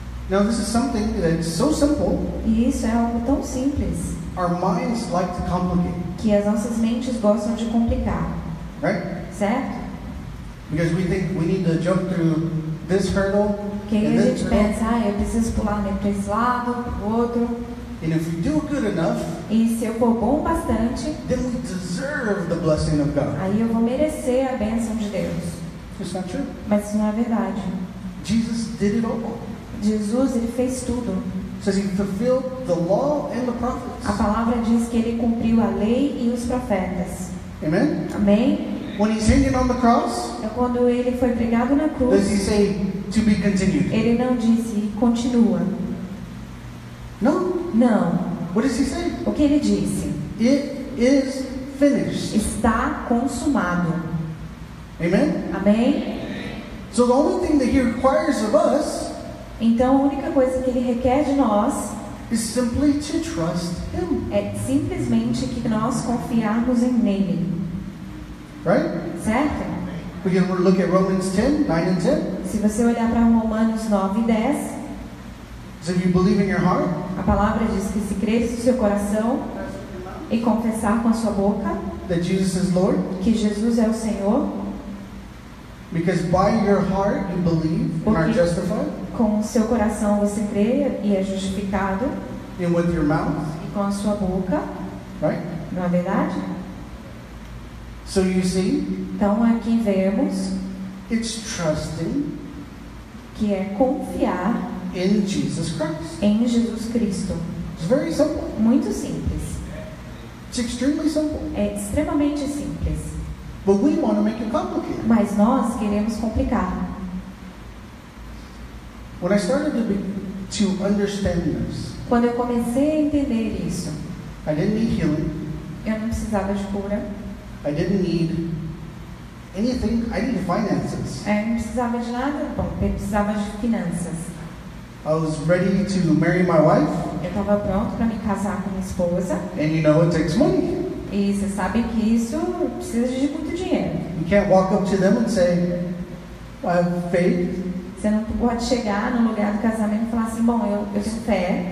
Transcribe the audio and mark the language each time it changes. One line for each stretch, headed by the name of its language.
English: Now this is something that is so simple.
Portuguese: E isso é algo tão simples.
English: Our minds like to complicate.
Portuguese: Que as nossas mentes gostam de complicar.
English: Right?
Portuguese: Certo?
English: Because we think we need to jump through this hurdle.
Portuguese: Que a gente pensa, ah, eu preciso pular entre esse lado, o outro.
English: And if we do good enough,
Portuguese: e se eu for bom bastante,
English: then we deserve the blessing of God.
Portuguese: Aí eu vou merecer a bênção de Deus.
English: It's not true.
Portuguese: Mas isso não é verdade.
English: Jesus did it all.
Portuguese: Jesus, ele fez tudo.
English: Says he fulfilled the law and the prophets.
Portuguese: A palavra diz que ele cumpriu a lei e os profetas.
English: Amen.
Portuguese: Amém.
English: When he's hanging on the cross,
Portuguese: é quando ele foi pregado na cruz.
English: Does he say to be continued?
Portuguese: Ele não disse continua.
English: No.
Portuguese: Não.
English: What does he say?
Portuguese: O que ele disse?
English: It is finished.
Portuguese: Está consumado.
English: Amen.
Portuguese: Amém.
English: So the only thing that he requires of us.
Portuguese: Então a única coisa que ele requer de nós
English: is simply to trust him.
Portuguese: É simplesmente que nós confiarmos em nele.
English: Right?
Portuguese: Certo?
English: We can look at Romans 10, 9 and 10.
Portuguese: Se você olhar para Romanos 9 e 10,
English: so if you believe in your heart,
Portuguese: a palavra diz que se crer no seu coração e confessar com a sua boca
English: that Jesus is Lord,
Portuguese: que Jesus é o Senhor.
English: Because by your heart you believe and are justified.
Portuguese: Com o seu coração você crê e é justificado.
English: And with your mouth.
Portuguese: E com a sua boca.
English: Right?
Portuguese: Não é verdade?
English: So you see,
Portuguese: então aqui vemos.
English: It's trusting.
Portuguese: Que é confiar.
English: In Jesus Christ.
Portuguese: Em Jesus Cristo.
English: It's very simple.
Portuguese: Muito simples.
English: It's extremely simple.
Portuguese: É extremamente simples.
English: But we want to make it complicated.
Portuguese: Mas nós queremos complicar.
English: When I started to understand this,
Portuguese: quando eu comecei a entender isso,
English: I didn't need healing.
Portuguese: Eu não precisava de cura.
English: I didn't need anything. I needed finances.
Portuguese: Eu não precisava de nada. Bom, eu precisava de finanças.
English: I was ready to marry my wife.
Portuguese: Eu estava pronto para me casar com minha esposa.
English: And you know, it takes money.
Portuguese: E você sabe que isso precisa de muito dinheiro.
English: You can't walk up to them and say, I have faith.
Portuguese: Você não pode chegar no lugar do casamento e falar assim, bom, eu tenho fé.